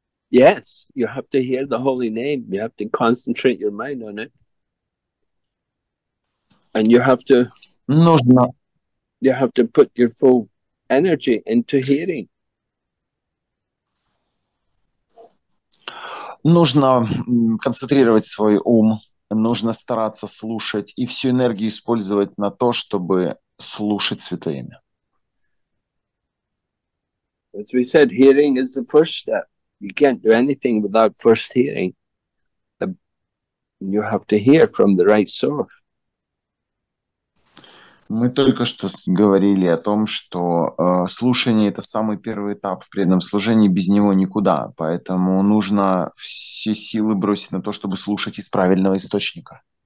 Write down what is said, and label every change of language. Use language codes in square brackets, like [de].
[en] Yes, you have to hear the holy name. You have to concentrate your mind on it. And you have to... [ru] Нужно. [en] You have to put your full energy into hearing. [ru] Нужно концентрировать свой ум, нужно стараться слушать и всю энергию использовать на то, чтобы слушать Святое Имя. [en] As we said, hearing is the first step. You can't do anything without first hearing. You have to hear from the right source. [ru] Мы только что говорили о том, что слушание – это самый первый этап в преданном служении, без него никуда. Поэтому нужно все силы бросить на то, чтобы слушать из правильного источника.